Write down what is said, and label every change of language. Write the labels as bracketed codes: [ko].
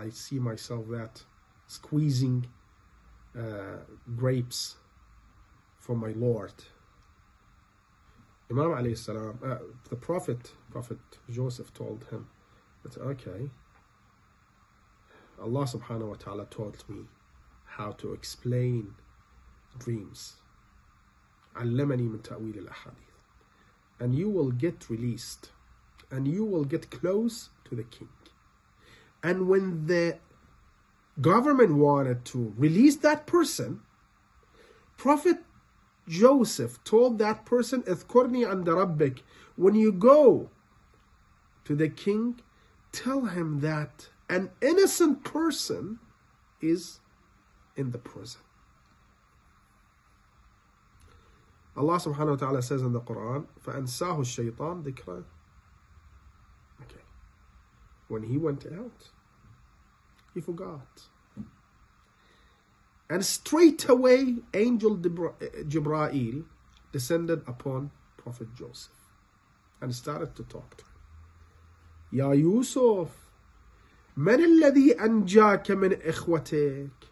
[en] I see myself that squeezing grapes for my Lord. Imam alayhi salam, the Prophet Joseph told him that, okay, Allah subhanahu wa ta'ala taught me how to explain dreams. [ar] علمني من تأويل الأحاديث. [en] And you will get released. And you will get close to the king. And when the government wanted to release that person, Prophet Joseph told that person, [ar] اذكرني عند ربك. [en] When you go to the king, tell him that an innocent person is in the prison. Allah subhanahu wa ta'ala says in the Quran, [ar] فَأَنْسَاهُ الشَّيْطَانُ ذِكْرَ. [en] Okay. When he went out, he forgot. And straight away, angel Jibra'il descended upon Prophet Joseph and started to talk to him. [ar] Ya Yusuf, من الذي أنجاك من إخوتك?